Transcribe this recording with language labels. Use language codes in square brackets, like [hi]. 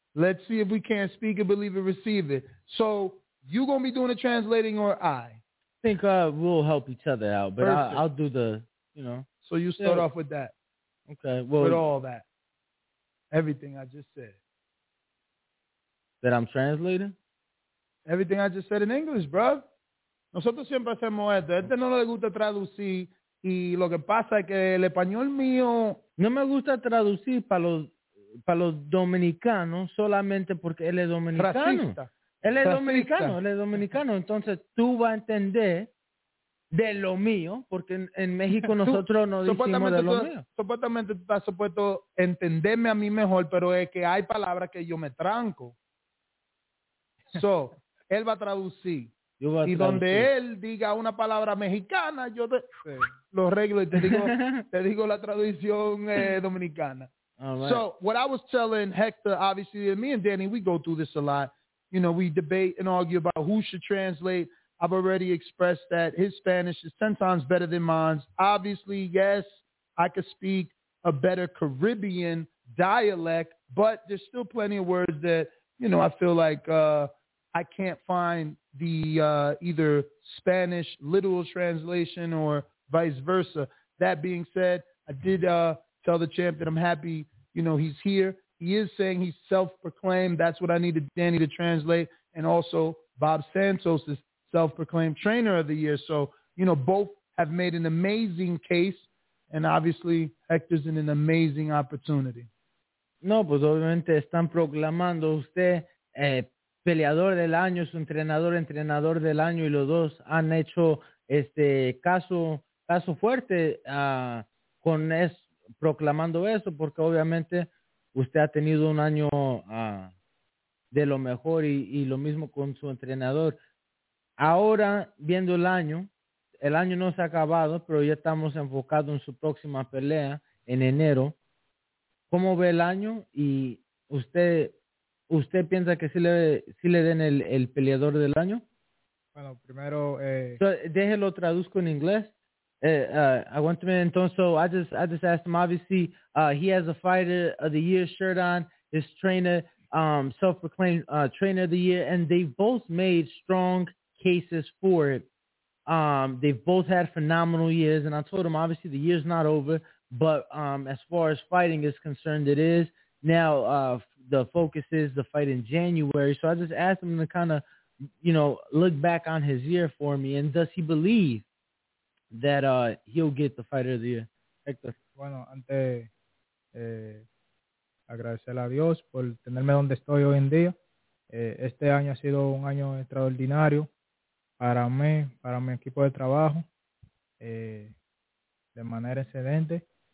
[en] Let's see if we can't speak and believe and receive it. So you going to be doing the translating or I? I think we'll help each other out, but I'll do the, you know. So you start off with that. Okay. Well, with all that, everything I just said. That I'm translating? Everything I just said in English, bro. [es] Nosotros siempre hacemos esto. Este no le gusta traducir. Y lo que pasa es que el español mío... No me gusta traducir para los dominicanos solamente porque él es dominicano. Racista. Él es dominicano. Entonces tú vas a entender de lo mío, porque en México nosotros no decimos de lo mío. Supuestamente tú estás supuesto entenderme a mí mejor, pero es que hay palabras que yo me tranco. So, él va a traducir. Yo voy a y donde él diga una palabra mexicana, yo te, lo arreglo y te digo, te digo la traducción dominicana. [en] Right. So what I was telling Hector, obviously, me and Danny, we go through this a lot. You know, we debate and argue about who should translate. I've already expressed that his Spanish is 10 times better than mine. Obviously, yes, I could speak a better Caribbean dialect, but there's still plenty of words that, you know, I feel like I can't find the either Spanish literal translation or vice versa. That being said, I did tell the champ that I'm happy, you know, he's here. He is saying he's self-proclaimed. That's what I needed Danny to translate. And also Bob Santos is self-proclaimed trainer of the year. So, you know, both have made an amazing case. And obviously, Hector's in an amazing opportunity. [es] No, pues obviamente están proclamando usted peleador del año, su entrenador, entrenador del año, y los dos han hecho este caso fuerte con eso, proclamando eso, porque obviamente usted ha tenido un año de lo mejor y lo mismo con su entrenador. Ahora, viendo el año no se ha acabado, pero ya estamos enfocados en su próxima pelea en enero. ¿Cómo ve el año? ¿Y usted piensa que sí le den el peleador del año? Bueno, primero... Déjelo traduzco en inglés. [en] I went to him, and so I just asked him. Obviously, he has a Fighter of the Year shirt on. His trainer, self-proclaimed Trainer of the Year, and they both made strong cases for it. They've both had phenomenal years, and I told him obviously the year's not over, but as far as fighting is concerned, it is now. The focus is the fight in January, so I just asked him to kind of, you know, look back on his year for me, and does he believe that he'll get the Fighter of the Year, Hector? [es] Bueno, antes agradecer a Dios por tenerme donde estoy hoy en día. Este año ha sido un año extraordinario para mí, para mi equipo de trabajo, de manera excelente.